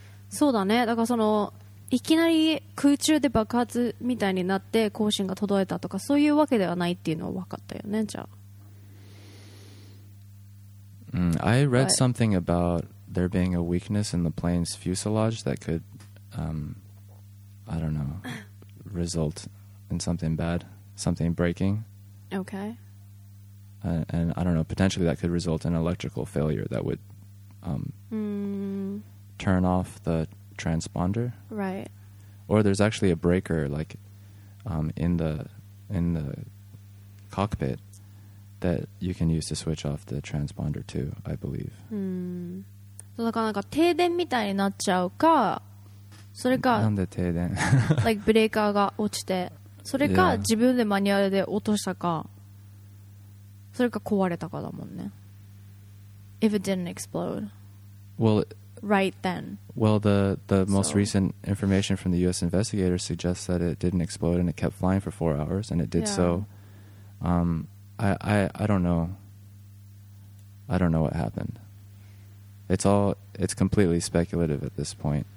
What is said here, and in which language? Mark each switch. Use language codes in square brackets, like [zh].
[ja] そうだね。だからそのいきなり空中で爆発みたいになって交信が途絶えたとかそういうわけではないっていうのは分かったよね。じゃあ。 [en] I read something about there being a weakness in the plane's fuselage that could, I don't know, result in something bad, something breaking. Okay. And I don't know, potentially that could result in electrical failure that would turn off the transponder. Right. Or there's actually a breaker like in the cockpit that you can use to switch off the transponder too, I believe. [ja] だからなんか停電みたいになっちゃうか、それか、なんで停電? like ブレーカーが落ちて、それか自分でマニュアルで落としたか、それか壊れたかだもんね。 [en] If it didn't explode. Well, right then. Well, the most recent information from the U.S. investigators suggests that it didn't explode and it kept flying for 4 hours, and it did so. I don't know what happened. It's completely speculative at this point.